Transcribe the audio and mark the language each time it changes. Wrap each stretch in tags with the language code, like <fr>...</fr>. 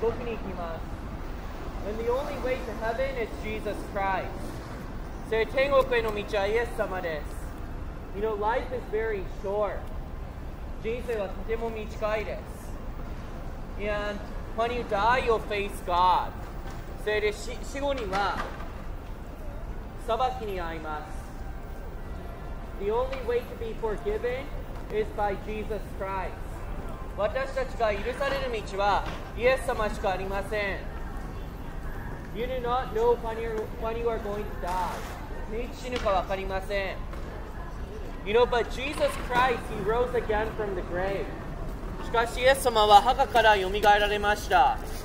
<en>And the only way to heaven is Jesus Christ.</en> <ja>So, 天国への道はイエス様です.</ja> <en>You know, life is very short.</en> <ja>人生はとても短いです.</ja> <en>And when you die, you'll face God.</en> <ja>So, 死後には裁きに遭います.</ja> <en>The only way to be forgiven is by Jesus Christ.</en> <ja>私たちが許される道は</ja> <en>You do not know when you are going to die.</en> <ja>死ぬか分かりません.</ja> <en>You know, but Jesus Christ, He rose again from the grave.</en> <ja>しかしイエス様は墓から蘇られました.</ja>